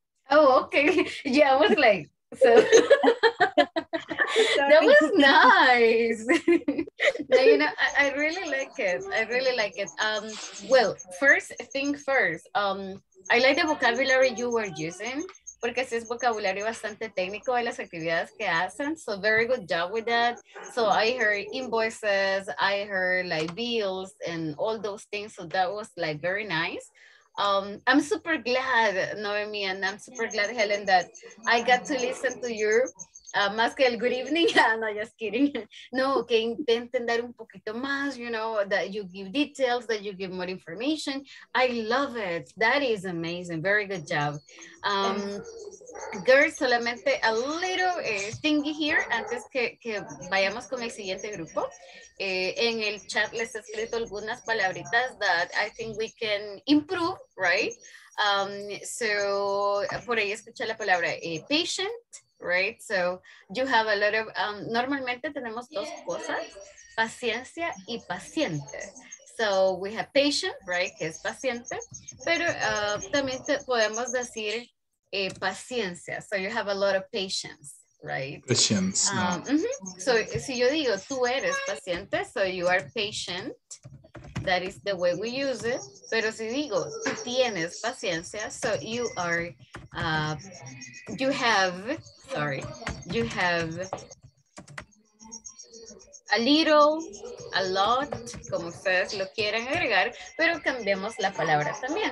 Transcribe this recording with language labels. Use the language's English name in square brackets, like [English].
[English] Oh, okay. Yeah, I was like, so. That was nice. Now, you know, I really like it. I really like it. Well, first thing first, I like the vocabulary you were using. [Spanish] Porque sí es vocabulario bastante técnico de las actividades que hacen. [English] So very good job with that. So I heard invoices, I heard like bills and all those things. So that was like very nice. I'm super glad, Noemi, and I'm super glad, Helen, that I got to listen to you. [Spanish] Más que el [English] good evening, no, just kidding. [Spanish] No, que intenten dar un poquito más, [English] you know, that you give details, that you give more information. I love it. That is amazing. Very good job. Girls, [Spanish] solamente [English] a little thingy here [Spanish] antes que vayamos con el siguiente grupo. En el chat les he escrito algunas palabritas [English] that I think we can improve, right? [Spanish] So, por ahí escuché la palabra patient. [English] Right, so you have a lot of, [Spanish] normalmente tenemos dos cosas, paciencia y paciente. [English] So we have patient, right, [Spanish] que es paciente, pero también podemos decir paciencia. [English] So you have a lot of patience, right? Patience. [Spanish] So si yo digo tú eres paciente, [English] so you are patient. That is the way we use it. [Spanish] Pero si digo, tú tienes paciencia, [English] so you are, you have a little, a lot, [Spanish] como ustedes lo quieran agregar, pero cambiamos la palabra también.